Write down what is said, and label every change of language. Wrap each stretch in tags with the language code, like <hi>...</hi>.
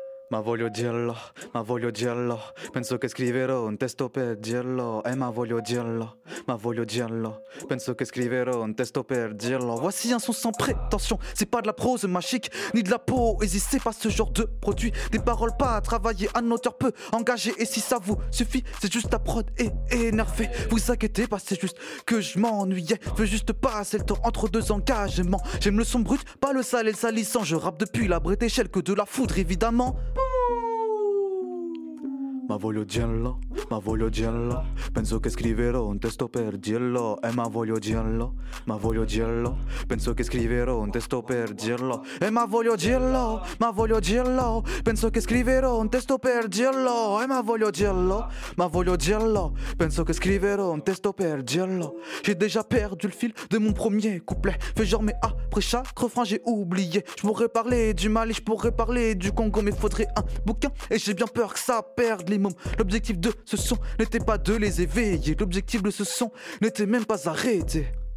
<it>Ma voglio dirlo, ma voglio dirlo. Penso che scriverò un testo per dirlo. Ma voglio dirlo, ma voglio dirlo. Penso che scriverò un testo per dirlo.</it> <fr>Voici un son sans prétention. C'est pas de la prose magique, ni de la poésie. C'est pas ce genre de produit. Des paroles pas à travailler, un auteur peu engagé. Et si ça vous suffit, c'est juste la prod et énervé. Vous inquiétez pas, c'est juste que je m'ennuyais. Je veux juste passer le temps entre deux engagements. J'aime le son brut, pas le sale et le salissant. Je rappe depuis la brette échelle que de la foudre évidemment.</fr> <it>Ma voglio dirlo, ma voglio dirlo. Penso che scriverò un testo per dirlo. Ma voglio dirlo, ma voglio dirlo. Penso che scriverò un testo per dirlo. Ma voglio dirlo, ma voglio dirlo. Penso che scriverò un testo per dirlo. Ma voglio dirlo, ma voglio dirlo. Penso che scriverò un testo per dirlo.</it> <fr>J'ai déjà perdu le fil de mon premier couplet. Fais genre mais après chaque refrain j'ai oublié. Je pourrais parler du Mali, je pourrais parler du Congo, mais faudrait un bouquin et j'ai bien peur que ça perde. L'objectif de ce son n'était pas de les éveiller. L'objectif de ce son n'était même pas arrêté.</fr>